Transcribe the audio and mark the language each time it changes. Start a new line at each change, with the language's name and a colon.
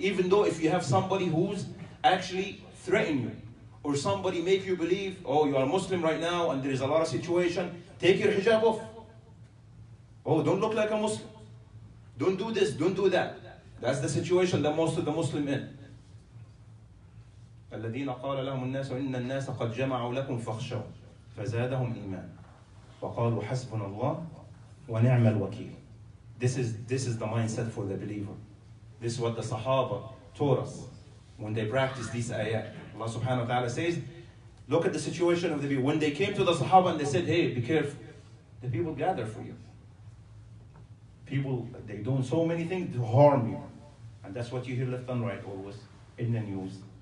English: Even though if you have somebody who's actually threatening you, or somebody make you believe, oh, you are Muslim right now and there is a lot of situation, take your hijab off. Oh, don't look like a Muslim. Don't do this, don't do that. That's the situation that most of the Muslim in.
Arabic: الذين قال لهم الناس إن الناس قد جمعوا لكم فخشوا فزادهم إيمان وقالوا حسبنا الله ونعم الوكيل.
English: This is the mindset for the believer. This is what the Sahaba taught us when they practiced these ayat. Allah subhanahu wa ta'ala says, look at the situation of the people. When they came to the Sahaba and they said, hey, be careful. The people gather for you. People, they doing so many things to harm you. And that's what you hear left and right always in the news.